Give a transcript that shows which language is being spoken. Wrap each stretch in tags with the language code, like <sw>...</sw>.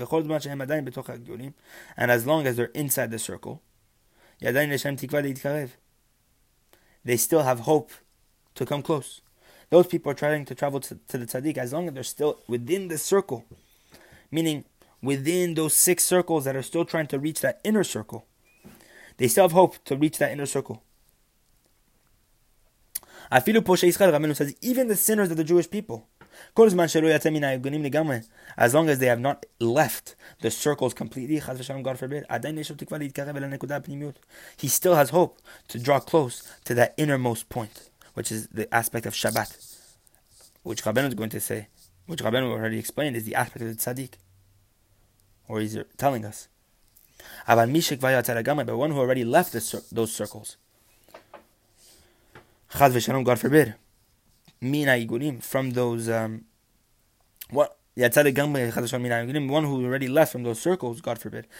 <en>And as long as they're inside the circle, they still have hope to come close. Those people are trying to travel to the Tzadik as long as they're still within the circle. Meaning, within those six circles that are still trying to reach that inner circle. They still have hope to reach that inner circle.</en> <he>Afilu poshei Yisrael,</he> <en>Rabbeinu says, even the sinners of the Jewish people,</en> <he>כל זמן שלא יצא מן הארגונים לגמרי,</he> <en>as long as they have not left the circles completely,</en> <he>חס ושלום,</he> <en>God forbid,</en> <he>עדיין יש לו תקווה להתקרב אל הנקודה הפנימיות.</he> <en>He still has hope to draw close to that innermost point, which is the aspect of Shabbat, which Rabbeinu is going to say, which Rabbeinu already explained, is the aspect of the Tzadik, or he's telling us.</en> <he>אבל מי שכבר יצא לגמרי,</he> <en>but one who already left those circles,</en> <he>חס ושלום,</he> <en>God forbid, one who already left from those circles, God forbid.</en>